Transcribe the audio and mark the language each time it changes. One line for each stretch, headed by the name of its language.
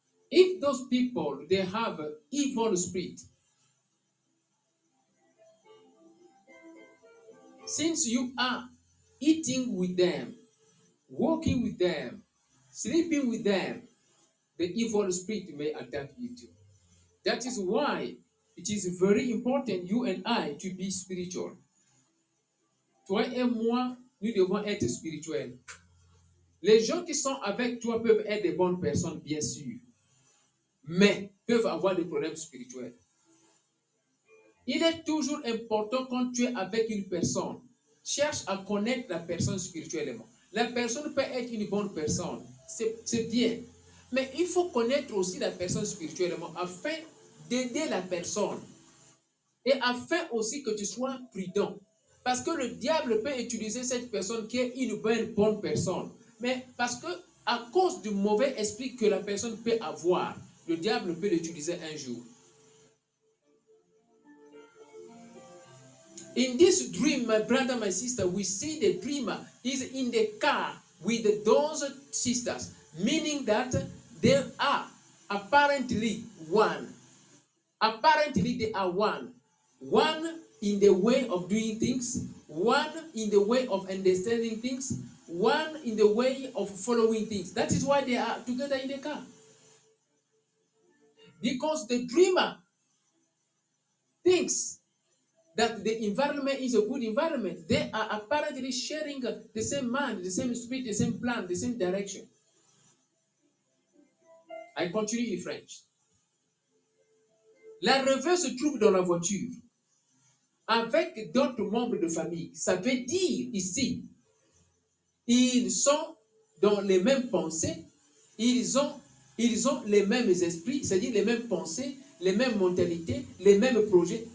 English: If those people, they have an evil spirit, since you are eating with them, walking with them, sleeping with them, the evil spirit may attack you too. That is why it is very important, you and I, to be spiritual.
French: Toi et moi, nous devons être spirituels. Les gens qui sont avec toi peuvent être des bonnes personnes, bien sûr, mais peuvent avoir des problèmes spirituels. Il est toujours important, quand tu es avec une personne, cherche à connaître la personne spirituellement. La personne peut être une bonne personne, c'est bien, mais il faut connaître aussi la personne spirituellement afin d'aider la personne et afin aussi que tu sois prudent. Parce que le diable peut utiliser cette personne qui est une bonne personne, mais parce que à cause du mauvais esprit que la personne peut avoir, le diable peut l'utiliser un jour.
English: In this dream, my brother, my sister, we see the dreamer is in the car with those sisters, meaning that they are apparently one. Apparently, they are one. One in the way of doing things, one in the way of understanding things, one in the way of following things. That is why they are together in the car. Because the dreamer thinks that the environment is a good environment. They are apparently sharing the same mind, the same spirit, the same plan, the same direction. I continue in French.
French: La rêveuse se trouve dans la voiture avec d'autres membres de famille. Ça veut dire ici, ils sont dans les mêmes pensées, ils ont les mêmes esprits, c'est-à-dire les mêmes pensées, les mêmes mentalités, les mêmes projets.